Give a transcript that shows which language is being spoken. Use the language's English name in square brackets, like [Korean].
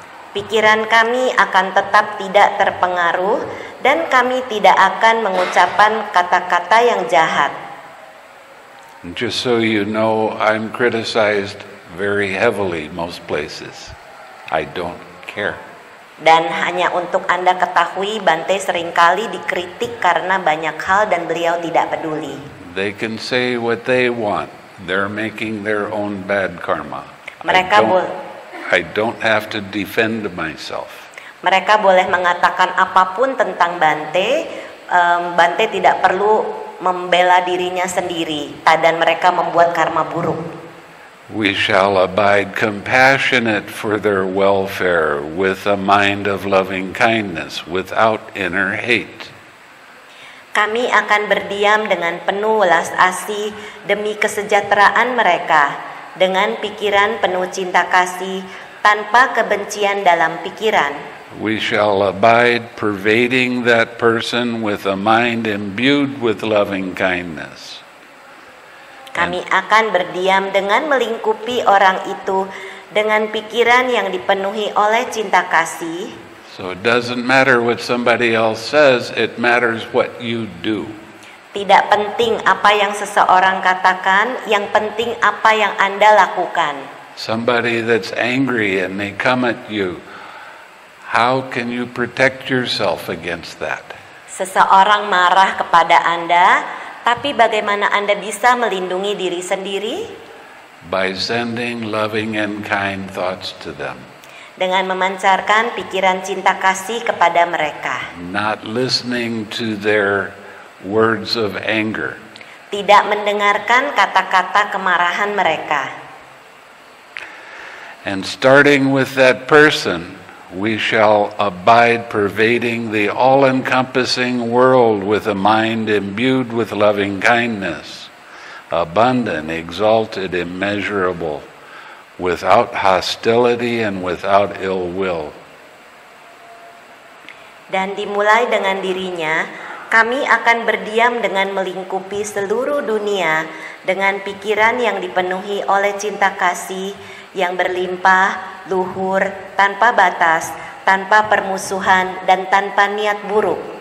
[Indonesian] Pikiran kami akan tetap tidak terpengaruh dan kami tidak akan mengucapkan kata-kata yang jahat. [English] Just so you know, I'm criticized very heavily most places. I don't care. [Indonesian] Dan hanya untuk Anda ketahui, Bante seringkali dikritik karena banyak hal dan beliau tidak peduli. [English] They can say what they want. They're making their own bad karma. [Indonesian] Mereka [English] I don't, I don't have to defend myself. [Indonesian] Mereka boleh mengatakan apapun tentang Bante. Bante tidak perlu membela dirinya sendiri, dan mereka membuat karma buruk. [English] We shall abide compassionate for their welfare with a mind of loving kindness without inner hate. [Indonesian] Kami akan berdiam dengan penuh welas asih demi kesejahteraan mereka dengan pikiran penuh cinta kasih tanpa kebencian dalam pikiran. [English] We shall abide pervading that person with a mind imbued with loving kindness. [Indonesian] Kami akan berdiam dengan melingkupi orang itu dengan pikiran yang dipenuhi oleh cinta kasih. [English] So it doesn't matter what somebody else says, it matters what you do. [Indonesian] Tidak penting apa yang seseorang katakan, yang penting apa yang Anda lakukan. [English] Somebody that's angry and they come at you, how can you protect yourself against that? [Indonesian] Seseorang marah kepada Anda, tapi bagaimana Anda bisa melindungi diri sendiri? [English] By sending loving and kind thoughts to them. [Indonesian] Dengan memancarkan pikiran cinta kasih kepada mereka. [English] Not listening to their words of anger. [Indonesian] Tidak mendengarkan kata-kata kemarahan mereka. [English] And starting with that person, we shall abide pervading the all-encompassing world with a mind imbued with loving kindness, abundant, exalted, immeasurable, without hostility and without ill will. [Indonesian] Dan dimulai dengan dirinya, kami akan berdiam dengan melingkupi seluruh dunia dengan pikiran yang dipenuhi oleh cinta kasih yang berlimpah, luhur, tanpa batas, tanpa permusuhan, dan tanpa niat buruk.